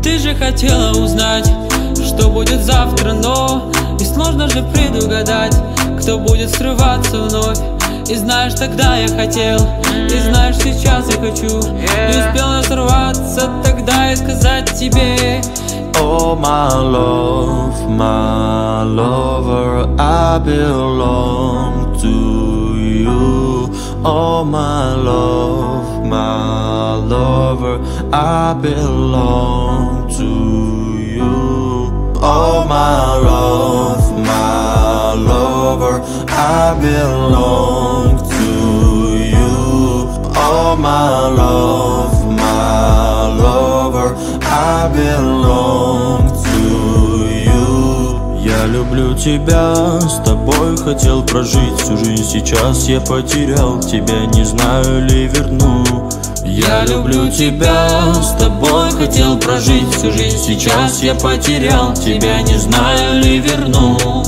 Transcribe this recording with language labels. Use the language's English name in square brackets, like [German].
[Russian] Ты же хотела узнать, что будет завтра, но и сложно же предугадать, кто будет срываться вновь. И знаешь, тогда я хотел, и знаешь, сейчас я хочу. Не успел я сорваться тогда и сказать тебе: [English] oh my lover, I belong to you. Oh my lover, I belong to you. Oh my love, my lover, I belong to you. Oh my love, my lover, I belong to you. [Russian] Я люблю тебя, с тобой хотел прожить всю жизнь. Сейчас я потерял тебя, не знаю ли верну. Я люблю тебя, с тобой хотел прожить всю жизнь. Сейчас я потерял тебя, не знаю ли верну.